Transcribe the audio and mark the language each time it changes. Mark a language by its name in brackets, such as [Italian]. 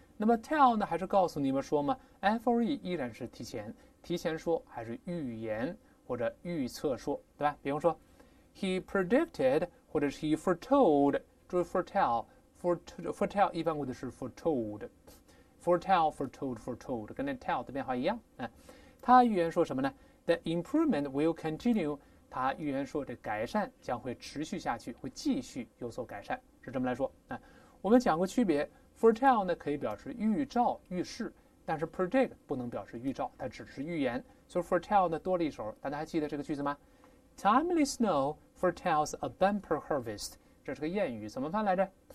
[Chinese] 那么 tell 呢，还是告诉你们说吗？FORE 依然是提前说，还是预言或者预测说，对吧？比如说， [English] He predicted [Chinese] 或者是 [English] He foretold， [Chinese] 就是 foretell 一般过的是 foretold，foretell，foretold，foretold，跟那 tell 的变化一样。他预言说什么呢？ [English] The improvement will continue。 [Chinese] 他预言说这改善将会持续下去，会继续有所改善。是这么来说，我们讲过区别，foretell 呢可以表示预兆、预示，但是 predict 不能表示预兆，它只是预言，所以 foretell 呢多了一手。大家还记得这个句子吗？ [English] Timely snow foretells a bumper harvest， [Chinese] 这是个谚语，怎么翻来着？